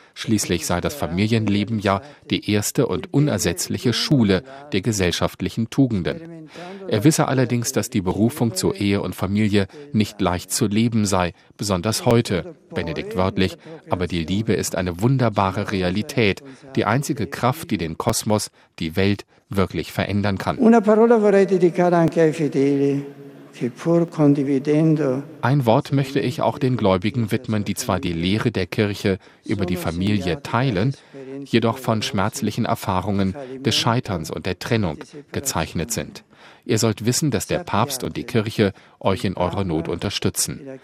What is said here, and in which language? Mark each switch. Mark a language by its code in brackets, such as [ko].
[de] Schließlich sei das Familienleben ja die erste und unersetzliche Schule der gesellschaftlichen Tugenden. Er wisse allerdings, dass die Berufung zur Ehe und Familie nicht leicht zu leben sei, besonders heute, Benedikt wörtlich, aber die Liebe ist eine wunderbare Realität, die einzige Kraft, die den Kosmos, die Welt wirklich verändern kann. [it] Una parola vorrei dedicare anche ai fedeli. [de] Ein Wort möchte ich auch den Gläubigen widmen, die zwar die Lehre der Kirche über die Familie teilen, jedoch von schmerzlichen Erfahrungen des Scheiterns und der Trennung gezeichnet sind. Ihr sollt wissen, dass der Papst und die Kirche euch in eurer Not unterstützen.